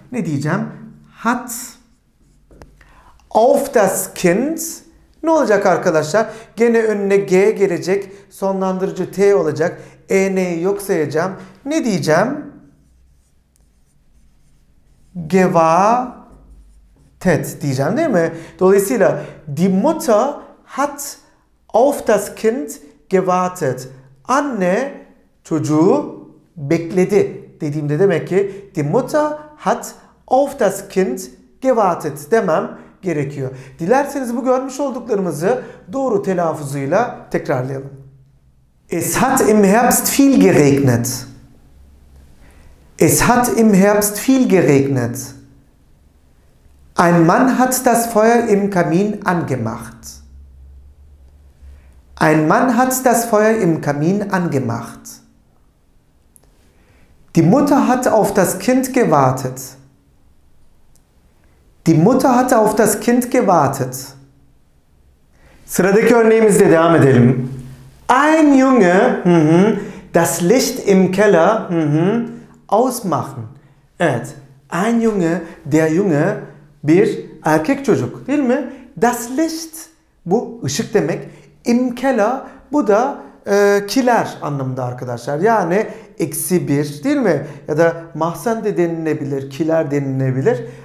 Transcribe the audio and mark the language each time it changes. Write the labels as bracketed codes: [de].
[tr] Ne diyeceğim? [de] Hat auf das Kind. [tr] Ne olacak arkadaşlar? Gene önüne G gelecek. Sonlandırıcı T olacak. E'yi yok sayacağım. Ne diyeceğim? Gewartet diyeceğim değil mi? Dolayısıyla [de] die Mutter hat auf das Kind gewartet. [tr] Anne çocuğu bekledi dediğimde demek ki [de] die Mutter hat auf das Kind gewartet [tr] demem gerekiyor. Dilerseniz bu görmüş olduklarımızı doğru telaffuzuyla tekrarlayalım. [de] Es hat im Herbst viel geregnet. Es hat im Herbst viel geregnet. Ein Mann hat das Feuer im Kamin angemacht. Ein Mann hat das Feuer im Kamin angemacht. Die Mutter hat auf das Kind gewartet. Die Mutter hatte auf das Kind gewartet. [tr] Sıradaki örneğimizle devam edelim. [de] Ein Junge, das Licht im Keller ausmachen. [tr] Evet. [de] Ein Junge, der Junge, [tr] bir erkek çocuk, değil mi? Das Licht, bu ışık demek. Im Keller, bu da kiler anlamında arkadaşlar. Yani eksi bir, değil mi? Ya da mahzen de denilebilir, kiler denilebilir.